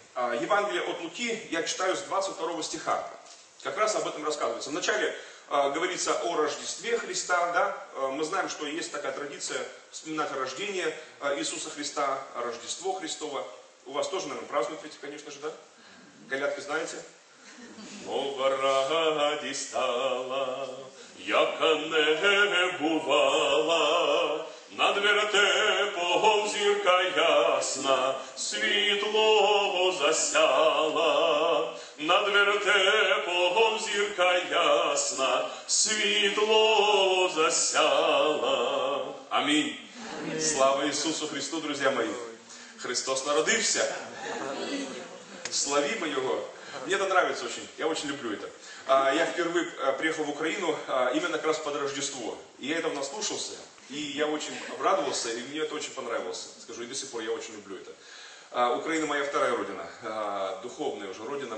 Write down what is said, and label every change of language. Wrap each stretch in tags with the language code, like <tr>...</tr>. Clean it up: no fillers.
<ru>Евангелие от Луки я читаю с 22 стиха. Как раз об этом рассказывается. Вначале говорится о Рождестве Христа, да? Мы знаем, что есть такая традиция вспоминать рождение Иисуса Христа, Рождество Христово. У вас тоже, наверное, празднуют ведь, конечно же, да? Голядки знаете?</ru> <uk>Мова ради стала, яка не бувала, над вертепом зірка ясна, світло засяла. Над вертепом зірка ясна, світло засяла. Амінь. Амінь. Слава Ісусу Христу, друзі мої. Христос народився. Славімо Його.</uk> <ru>Мне это нравится очень, я очень люблю это. Я впервые приехал в Украину именно как раз под Рождество. И я этого наслушался, и я очень обрадовался, и мне это очень понравилось. Скажу, и до сих пор я очень люблю это. Украина моя вторая родина, духовная уже родина.</ru>